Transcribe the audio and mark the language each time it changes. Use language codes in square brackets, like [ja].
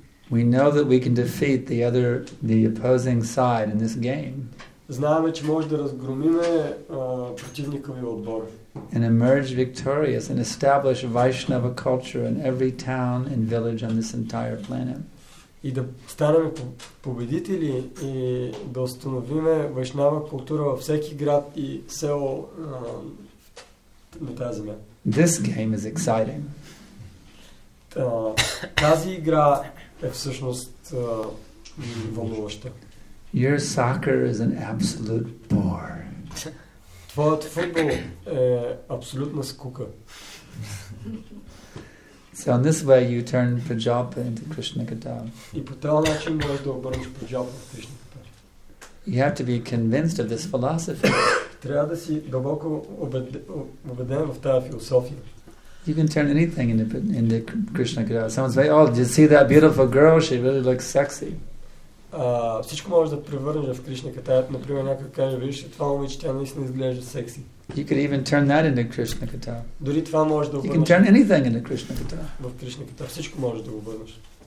[en] we know that we can defeat the opposing side in this game. [bg] Знаем, че може да разгромиме противниковия отбор. [en] And emerge victorious and establish Vaishnava culture in every town and village on this entire planet. [bg] И да станем победители и да установим вайшнава култура във всеки град и село на тази земя. [en] This game is exciting. [bg] Тази игра е всъщност вълнуваща. [en] Your soccer is an absolute bore. [bg] Твоят футбол е абсолютна скука. [en] So in this way you turn Prajapa into Krishna Katam. [bg] И по този начин можеш да обърнеш Prajapa в Krishna Katam. [en] You have to be convinced of this philosophy. [bg] Трябва да си дълбоко убеден в тази философия. [en] You can turn anything into Krishna Katam. Someone says, oh, did you see that beautiful girl? She really looks sexy. [bg] Всичко може да превърнеш в Кришна Катая. Например, някой каже, виж, това момиче, тя наистина изглежда секси. [en] You could even turn that into Krishna Katha. [bg] Дори това може да обърнеш. [en] You can turn anything into Krishna Katha. [bg] В Кришна Катая всичко може да обърнеш.